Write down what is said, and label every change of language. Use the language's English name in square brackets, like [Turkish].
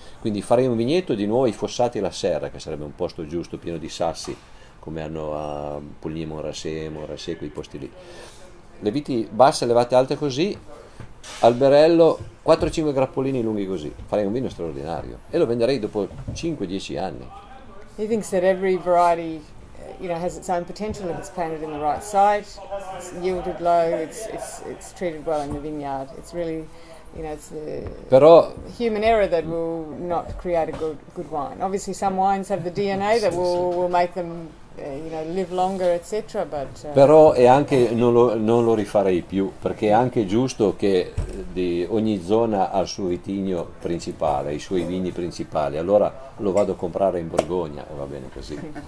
[Italian] Quindi farei un vigneto di nuovo ai fossati la serra, che sarebbe un posto giusto, pieno di sassi, come hanno a Pugliese, quei posti lì. Le viti basse, levate alte così, alberello, 4-5 grappolini lunghi così, farei un vino straordinario e lo venderei dopo 5-10 anni. [English] He thinks that every variety, you know, has its own potential if it's planted in the right site, it's yielded low, it's treated well in the vineyard. It's really, you know, it's [Italian] Però [English] human error that will not create a good wine. Obviously, some wines have the DNA that will make them, you know, live longer, etc. But [Italian] però è anche non lo rifarei più, perché è anche giusto che di ogni zona ha il suo vitigno principale, i suoi vini principali. Allora lo vado a comprare in Borgogna e va bene così.